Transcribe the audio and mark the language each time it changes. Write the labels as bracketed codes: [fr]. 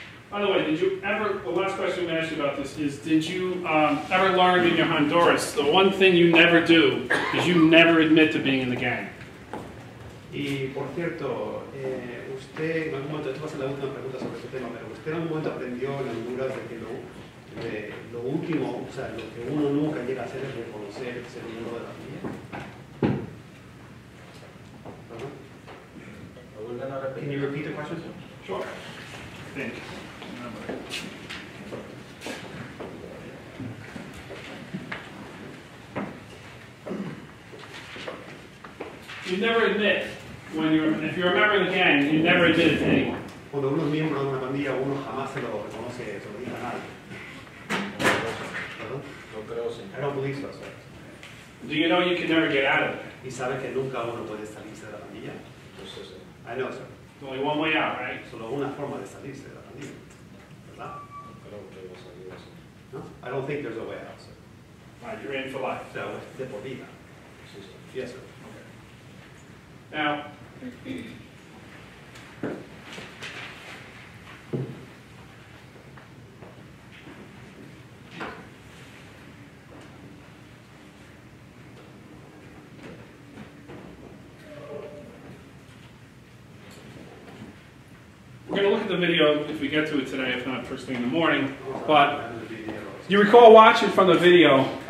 [en] By the way, did you ever, the last question I'm going to ask you about this is, did you ever learn in your Honduras, the one thing you never do is you never admit to being in the gang? [es] Y por cierto, usted, en algún momento, esto va a ser la última pregunta sobre este tema, pero usted en algún momento aprendió en Honduras de que lo último, o sea, lo que uno nunca llega a hacer es reconocer ser miembro de la familia. [en] Can you repeat the question? Sure. Thank you. You never admit when you're, if you're a member of the gang, you never admit it to anyone. [es] Cuando uno es miembro de una pandilla, uno jamás se lo reconoce, se lo dice a nadie. [en] I don't believe so, sir. Do you know you can never get out of it? [es] ¿Y sabe que nunca uno puede salirse de la pandilla? [en] I know, sir. Only one way out, right? [es] Solo una forma de salirse de la pandilla. [en] No? I don't think there's a way out, sir. Right, you're in for life. [es] So, de por vida. [en] Yes, sir. Okay. Now, the video if we get to it today, if not first thing in the morning, but you recall watching from the video,